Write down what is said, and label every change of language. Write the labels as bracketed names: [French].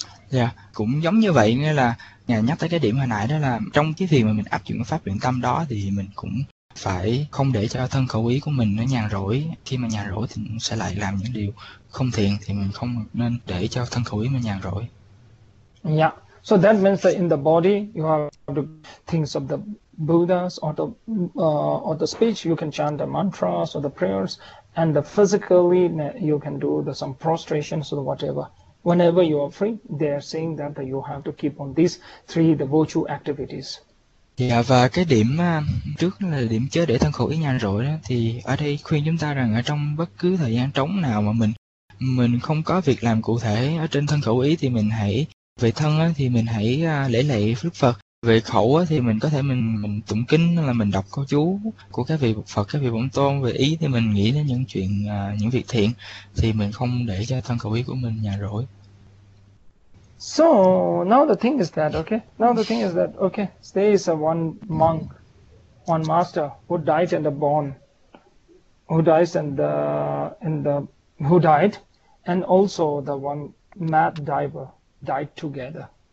[Vietnamese] Dạ, cũng giống như vậy, nghĩa là nhắc tới cái điểm hồi nãy đó, là trong cái việc mà mình áp dụng cái pháp luyện tâm đó thì mình cũng phải không để cho thân khẩu ý của mình nó nhàn rỗi. Khi mà nhàn rỗi thì mình sẽ lại làm những điều không thiện, thì mình không nên để cho thân khẩu ý mình nhàn rỗi. [English] Yeah, so that means that in the body you have the things of the Buddhas or the speech, you can chant the mantras or the prayers, and the physically you can do the some prostrations or whatever. Whenever you are free, they are saying that you have to keep on these three, the virtue activities. [Vietnamese] Dạ, và cái điểm trước là điểm chế để thân khẩu ý nhàn rỗi đó, thì ở đây khuyên chúng ta rằng ở trong bất cứ thời gian trống nào mà mình không có việc làm cụ thể ở trên thân khẩu ý, thì mình hãy về thân á, thì mình hãy lễ lạy Đức Phật. Về khẩu á, thì mình có thể mình tụng kinh, là mình đọc câu chú của các vị Phật, các vị Bổn Tôn. Về ý thì mình nghĩ đến những chuyện những việc thiện, thì mình không để cho thân khẩu ý của mình nhàn rỗi. [English] So now the thing is that okay. Now the thing is that okay. There is a one monk, one master who died in the bone, who dies in the who died, and also the one mad diver died together.